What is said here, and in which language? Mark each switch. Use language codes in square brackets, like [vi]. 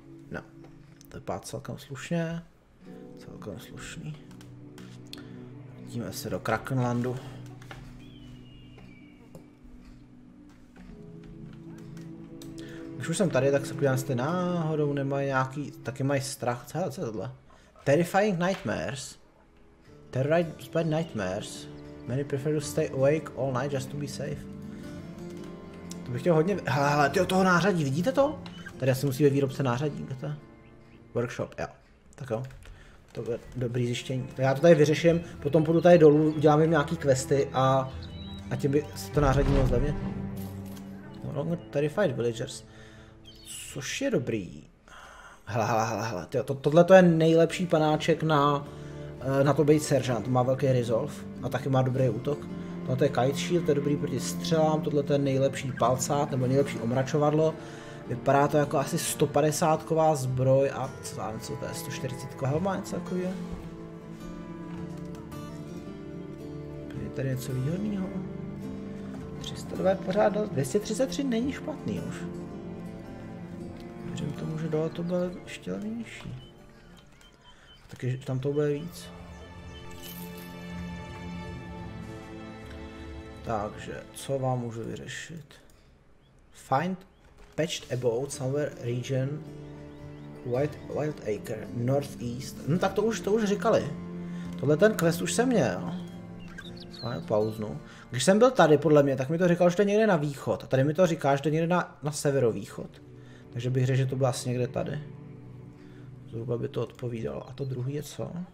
[cs] No, to je pát celkem slušně. Celkem slušný. Vidíme se do Krakenlandu. Když už jsem tady, tak se podívám, jestli náhodou nemají nějaký, taky mají strach, co je tohle? [en] Terrifying nightmares. Terrorized by nightmares. Many prefer to stay awake all night just to be safe. [cs] To bych chtěl hodně, hele, tyjo, toho nářadí, vidíte to? Tady asi musí být výrobce nářadí, kde to je? Workshop, jo. Tak jo. To bude dobrý zjištění. Tak já to tady vyřeším, potom půjdu tady dolů, udělám jim nějaký questy a tím by se to nářadí mělo zlevně. [en] Wrong terrified villagers. [cs] Což je dobrý. Hele, tohle to je nejlepší panáček na to být seržant. Má velký resolve a taky má dobrý útok. Tohle to je kite shield, to je dobrý proti střelám. Tohle to je nejlepší palcát nebo nejlepší omračovadlo. Vypadá to jako asi 150ková zbroj a co tam, co to je 140ková helma, něco takový je. Je tady něco výhodného. 302 pořád, 233 není špatný už. Věřím tomu, že dole to bude ještě levnější. Taky tam to bude víc. Takže, co vám můžu vyřešit? [en] Find patched abode somewhere region Wild Acre, northeast. [cs] No tak to už říkali. Tohle ten quest už jsem měl. S vámi pauznu. Když jsem byl tady, podle mě, tak mi to říkal, že to někde na východ. A tady mi to říká, že to někde na severovýchod. Takže bych řekl, že to byl asi někde tady. Zhruba by to odpovídalo. A to druhý je co?